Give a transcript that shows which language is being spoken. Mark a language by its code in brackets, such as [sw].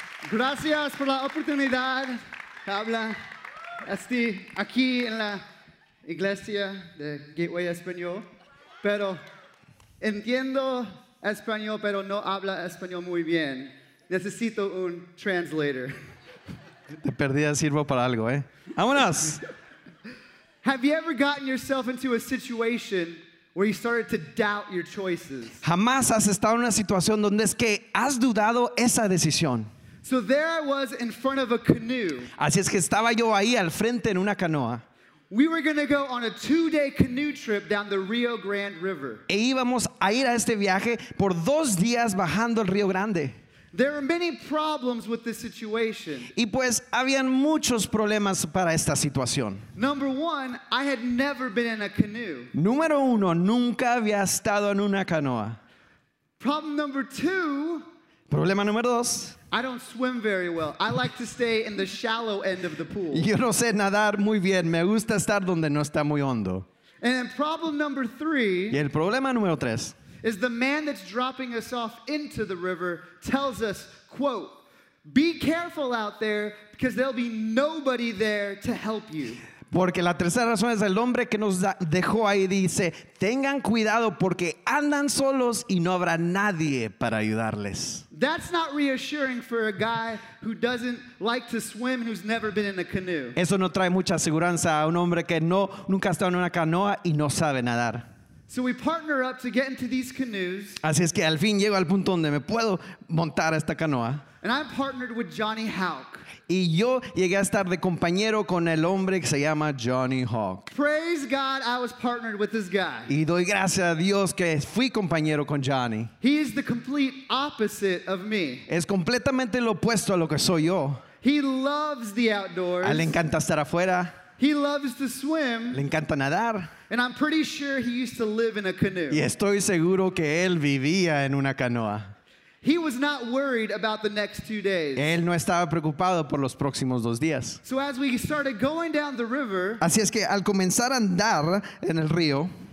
[es] Gracias por la oportunidad. Habla. Estoy aquí en la iglesia de Gateway Español, pero entiendo español, pero no habla español muy bien. Necesito un translator. De perdida sirvo para algo, ¿eh? ¡Vámonos! [en] Have you ever gotten yourself into a situation where you started to doubt your choices? [es] Jamás has estado en una situación donde es que has dudado esa decisión. [en] So there I was in front of a canoe. [es] Así es que estaba yo ahí al frente en una canoa. [en] We were going to go on a 2-day canoe trip down the Rio Grande River. [es] E íbamos a ir a este viaje por 2 días bajando el Río Grande. [en] There are many problems with this situation. [es] Y pues habían muchos problemas para esta situación. [en] Number one, I had never been in a canoe. [es] Número uno, nunca había estado en una canoa. [en] Problem number two. [es] Problema número dos. [en] I don't swim very well. I like to stay in the shallow end of the pool. [es] Yo no sé nadar muy bien. Me gusta estar donde no está muy hondo. [en] And then problem number three. [es] Y el problema número tres. [en] Is the man that's dropping us off into the river tells us, quote, be careful out there because there'll be nobody there to help you. [es] Porque la tercera razón es el hombre que nos dejó ahí dice, tengan cuidado porque andan solos y no habrá nadie para ayudarles. [en] That's not reassuring for a guy who doesn't like to swim, who's never been in a canoe. [es] Eso no trae mucha seguridad a un hombre que nunca ha estado en una canoa y no sabe nadar. [en] So we partner up to get into these canoes. [es] Así es que al fin llego al punto donde me puedo montar a esta canoa. [en] And I'm partnered with Johnny Hawk. [es] Y yo llegué a estar de compañero con el hombre que se llama Johnny Hawk. [en] Praise God, I was partnered with this guy. [es] Y doy gracias a Dios que fui compañero con Johnny. [en] He is the complete opposite of me. [es] Es completamente lo opuesto a lo que soy yo. [en] He loves the outdoors. [es] A él le encanta estar afuera. [en] He loves to swim. [es] Le encanta nadar. [en] And I'm pretty sure he used to live in a canoe. [es] Y estoy seguro que él vivía en una canoa. [en] He was not worried about the next 2 days. [es] Él no estaba preocupado por los próximos 2 días. [en] So as we started going down the river, [es] así es que al comenzar a andar en el río,